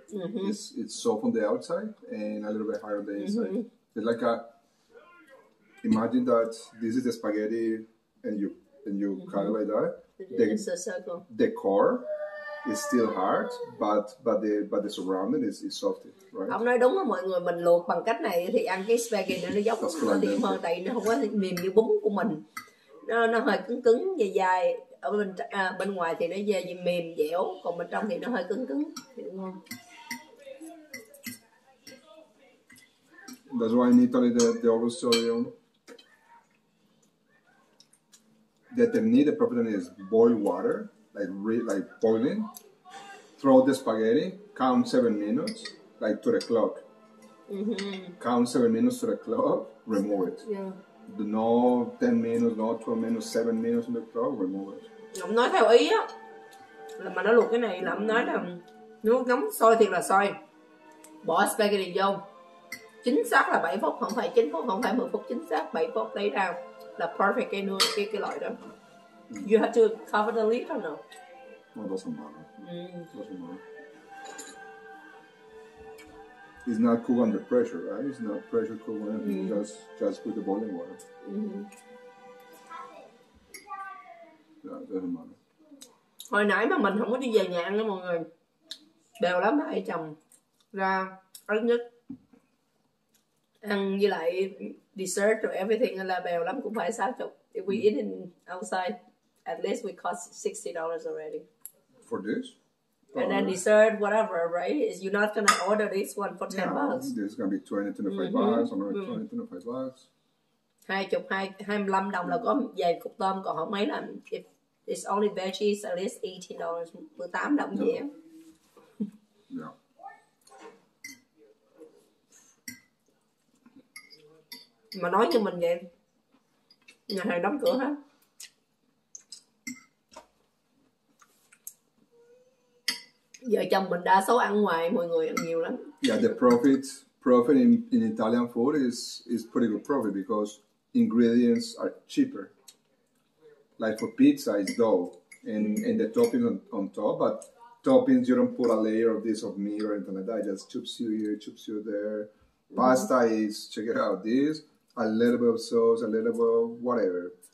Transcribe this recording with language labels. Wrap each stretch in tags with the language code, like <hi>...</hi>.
<en>It's soft on the outside and a little bit hard on the inside. It's like a, imagine that this is the spaghetti and you cut it like that. It's a circle. The core is still hard, but the surrounding is soft, right?</en> <vi>Ông nói đúng rồi mọi người, mình luộc bằng cách này thì ăn cái spaghetti nó giống</vi> <en>That's called al dente.</en> <vi>Hơn, tại nó không có mềm như bún của mình. Nó hơi cứng cứng, dài dài. Ở bên bên ngoài thì nó dai mềm dẻo, còn bên trong thì nó hơi cứng cứng thì ngon.</vi> <en>That's why in Italy they always tell you that the need, the proper thing is boil water, like boiling. Throw the spaghetti, count 7 minutes, like to the clock. Count 7 minutes to the clock, remove it. Yeah. No 10 minutes, no 12 minutes, 7 minutes in the clock, remove it.</en> <vi>Ông nói theo ý á, là mà nó luộc cái này là ông nói là nếu nóng sôi thiệt là sôi, bỏ spaghetti vô, chính xác là 7 phút, không phải 9 phút, không phải 10 phút, chính xác 7 phút lấy ra là perfect cái loại đó.</vi> <en>You have to cover the lid or no? No, it doesn't matter. It's not cooked under pressure, right? It's not pressure cooked, just put the boiling water.</en> <vi>Hồi nãy mà mình không có đi về nhà ăn đó mọi người, đều lắm hai chồng ra ít nhất Như lại</vi> <en>dessert or everything</en> <vi>là bèo lắm cũng phải 60.</vi> <en>If we eat in outside, at least we cost $60 already. For this? And then dessert, whatever, right? Is you're not gonna order this one for $10? No, this is gonna be $20-$25. I'm gonna $20-$25.</en> <vi>20-25 đồng là có vài cục tôm, còn không mấy là</vi> <en>if it's only veggies, at least $18,</en> <vi>18 đồng gì.</vi> <en>Yeah.</en> <vi>Mà nói như mình vậy, nhà hàng đóng cửa hết. Vợ chồng mình đa số ăn ngoài, mọi người ăn nhiều lắm.</vi> <en>Yeah, the profit in Italian food is pretty good profit because ingredients are cheaper. Like for pizza, it's dough and the toppings on top, but toppings, you don't put a layer of this of meat or anything like that. Just chips you here, chips you there. Pasta is, check it out, this, a little bit of sauce, a little bit of whatever.</en>